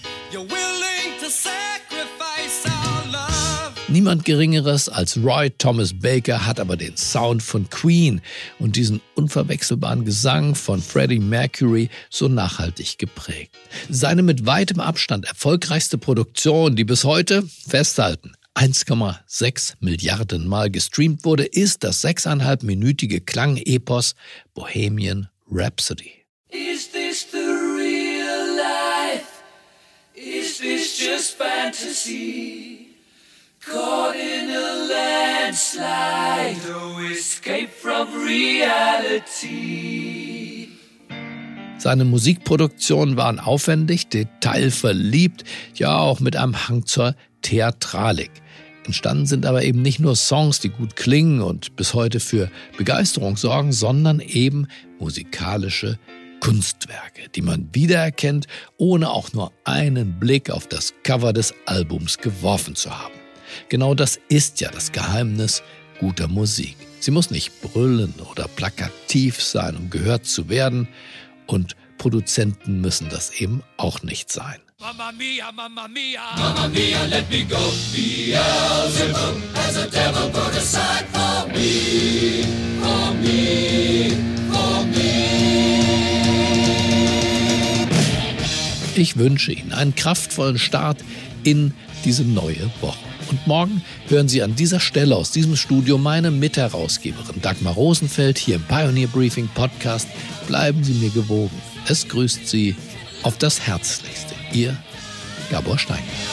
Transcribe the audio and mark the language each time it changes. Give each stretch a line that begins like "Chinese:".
English: You're willing to sacrifice our love.
German: Niemand Geringeres als Roy Thomas Baker hat aber den Sound von Queen und diesen unverwechselbaren Gesang von Freddie Mercury so nachhaltig geprägt. Seine mit weitem Abstand erfolgreichste Produktion, die bis heute, festhalten, 1,6 Milliarden Mal gestreamt wurde, ist das 6,5-minütige Klang-Epos Bohemian Rhapsody.
English: Is this the real life? Is this just fantasy? Caught in a landslide, no escape from reality.
German: Seine Musikproduktionen waren aufwendig, detailverliebt, ja auch mit einem Hang zur Theatralik. Entstanden sind aber eben nicht nur Songs, die gut klingen und bis heute für Begeisterung sorgen, sondern eben musikalische Kunstwerke, die man wiedererkennt, ohne auch nur einen Blick auf das Cover des Albums geworfen zu haben. Genau das ist ja das Geheimnis guter Musik. Sie muss nicht brüllen oder plakativ sein, um gehört zu werden. Und Produzenten müssen das eben auch nicht sein.
English: Mamma mia, mamma mia, mamma mia, let me go. Beelzebub has a devil put aside for me, for me, for me.
German: Ich wünsche Ihnen einen kraftvollen Start in diese neue Woche. Und morgen hören Sie an dieser Stelle aus diesem Studio meine Mitherausgeberin Dagmar Rosenfeld hier im Pioneer Briefing Podcast. Bleiben Sie mir gewogen. Es grüßt Sie auf das Herzlichste. Ihr Gabor Steingart.